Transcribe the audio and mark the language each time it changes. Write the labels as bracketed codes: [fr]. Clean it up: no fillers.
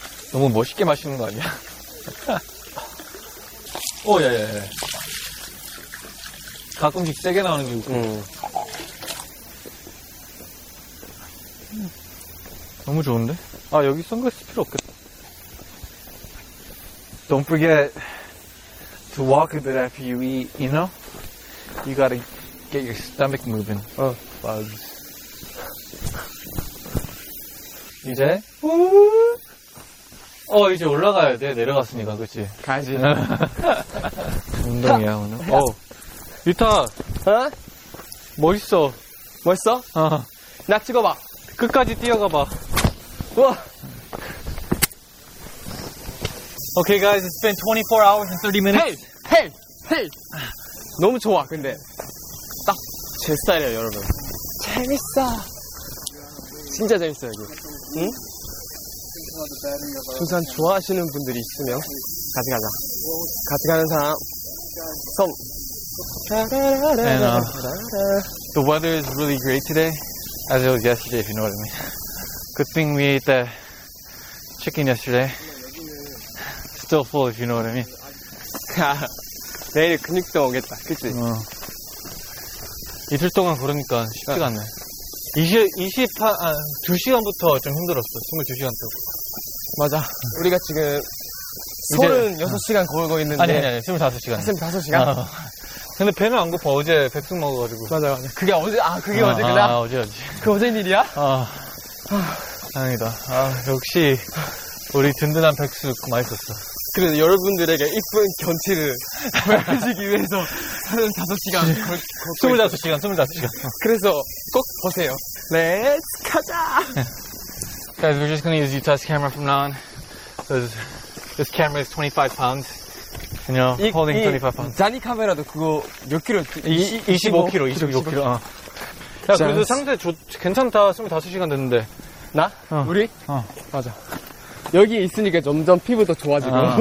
[ko] 너무 멋있게 마시는 거 아니야? 오, 예. 가끔씩 세게 나오는 게 웃겨. 너무 좋은데? 아, 여기 선글라스 필요 없겠다. [en] Don't forget to walk a bit after you eat, you know? You gotta get your stomach moving. Bugs. [ko] 이제? 어, 이제 올라가야 돼. 내려갔으니까, 그치? 가지. 운동이야, 오늘. 어, 유타! 어? 멋있어. 멋있어? 어. 나 찍어봐. 끝까지 뛰어가봐. 우와! [en] Okay, guys, it's been 24 hours and 30 minutes. [ko] Hey! 너무 좋아, 근데. 딱 제 스타일이야, 여러분. 재밌어. 진짜 재밌어, 여기. 응? 부산 좋아하시는 분들이 있으면 같이 가자. 같이 가는 사람. 성. [en] And the weather is really great today, as it was yesterday, if you know what I mean. Good thing we ate that chicken yesterday. Still full, if you know what I mean. [ko] 내일 근육도 오겠다, 그치? 이틀 동안 걸으니까 쉽지가 않네. 2시간부터 좀 힘들었어. 22시간 동안. 맞아. 우리가 지금 26시간 걸고 있는데. 아니, 25시간. 25시간? 근데 배는 안 고파. 어제 백숙 먹어가지고. 맞아. 그게 어제, 그게 어제구나. 어제. 그 어제인 일이야? 다행이다. 역시, 우리 든든한 백숙 맛있었어. 그래서 여러분들에게 이쁜 견치를 보여주기 위해서 25시간 걸고. 25시간, 25시간. 그래서 꼭 보세요. 렛츠 가자! [en] Guys, we're just gonna use Utah's camera from now on. This camera is 25 pounds. And you know, holding 25 pounds. [ko] 자니 카메라도 그거 몇 킬로? 25킬로. 야, 그래도 상태 괜찮다. 25시간 됐는데. 나? 우리? 맞아. 여기 있으니까 점점 피부 더 좋아지고.